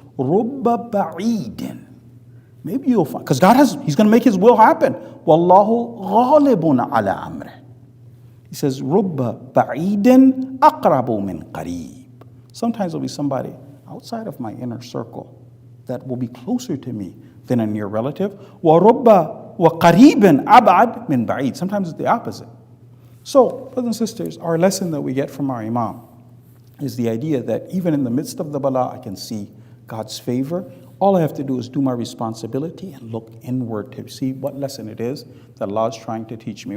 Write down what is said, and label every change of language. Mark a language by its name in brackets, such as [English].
[Arabic] Rubba ba'idin. [English] Maybe you'll find, because God has, he's going to make his will happen. [Arabic] Wallahu ghalibun ala amri. [English] He says, [Arabic] rubba ba'idin aqrabu min qareeb. [English] Sometimes there'll be somebody outside of my inner circle that will be closer to me than a near relative. [Arabic] Warubba وَقَرِيبٍ أَبْعَدْ مِنْ بَعِيدٍ. [English] Sometimes it's the opposite. So, brothers and sisters, our lesson that we get from our Imam is the idea that even in the midst of the bala, I can see God's favor. All I have to do is do my responsibility and look inward to see what lesson it is that Allah is trying to teach me.